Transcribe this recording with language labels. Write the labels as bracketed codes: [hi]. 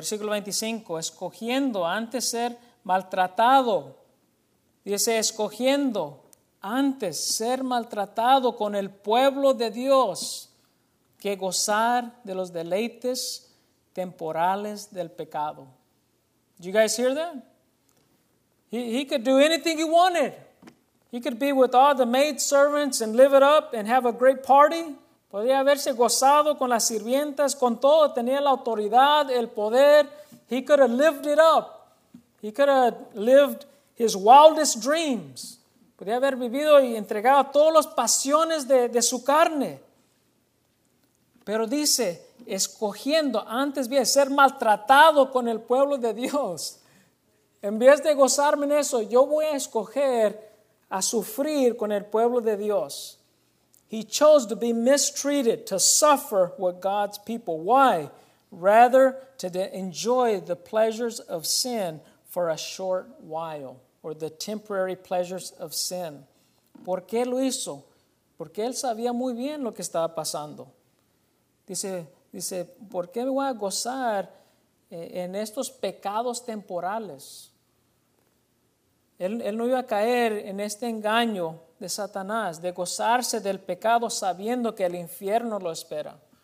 [es] Versículo 25, escogiendo antes ser maltratado. Dice, escogiendo antes ser maltratado con el pueblo de Dios que gozar de los deleites temporales del pecado. [en] Do you guys hear that? He could do anything he wanted. He could be with all the maid servants and live it up and have a great party. [es] Podría haberse gozado con las sirvientas, con todo. Tenía la autoridad, el poder. [en] He could have lived it up. He could have lived his wildest dreams. [es] Podría haber vivido y entregado todas las pasiones de su carne. Pero dice, escogiendo antes bien ser maltratado con el pueblo de Dios. En vez de gozarme en eso, yo voy a escoger a sufrir con el pueblo de Dios. [en] He chose to be mistreated, to suffer with God's people. Why? Rather to enjoy the pleasures of sin for a short while, or the temporary pleasures of sin. [es] ¿Por qué lo hizo? Porque él sabía muy bien lo que estaba pasando. Dice, ¿por qué me voy a gozar en estos pecados temporales? Él no iba a caer en este engaño de Satanás, de gozarse del pecado sabiendo que el infierno lo espera.